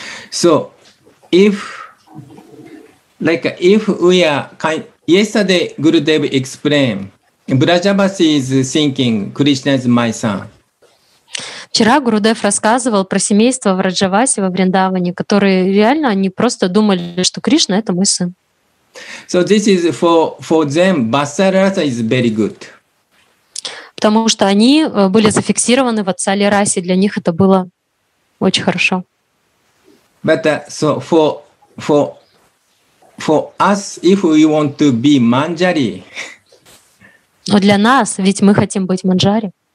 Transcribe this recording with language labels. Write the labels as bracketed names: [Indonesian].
[English] So, if we are kind, yesterday Gurudev explained, Vrajavasi is thinking Krishna is my son. [Russian] Вчера Гурудев рассказывал про семейство в Раджаваси во Вриндаване, которые реально они просто думали, что Кришна — это мой сын. [English] So this is for them, Vatsalya-rasa is very good. [Russian] Потому что они были зафиксированы в Vatsalya-rasе, для них это было очень хорошо. [English] But so for us, if we want to be Manjari. [Russian] Но для нас, ведь мы хотим быть Манджари.